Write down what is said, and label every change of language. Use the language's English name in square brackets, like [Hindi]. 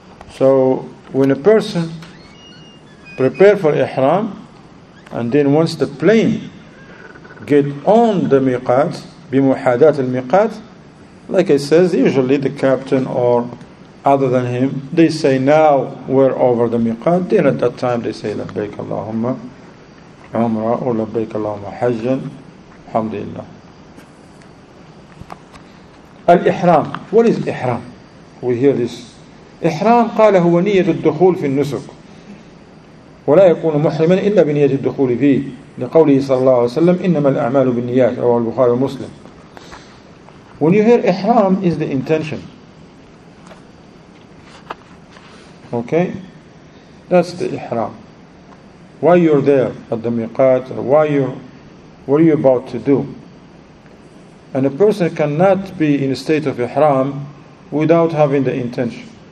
[English] So when a person prepare for Ihram, and then once the plane get on the Miqat, [Arabic] بمحادات المقات, [English] like I says, usually the captain or other than him, they say, now we're over the Miqat. Then at that time they say, [Arabic] لبيك اللهم عمره أو لبيك اللهم حجا, الحمد لله. الإحرام. [English] What is إحرام? We hear this. [Arabic] إحرام قال هو نية الدخول في النسك ولا يكون محرما إلا بنية الدخول فيه, لقوله صلى الله عليه وسلم, إنما الأعمال بالنيات, رواه البخاري ومسلم. [English] When you hear إحرام is the intention. Okay, that's the Ihram. Why you're there at the Miqat, or why you, what are you about to do? And a person cannot be in a state of Ihram without having the intention.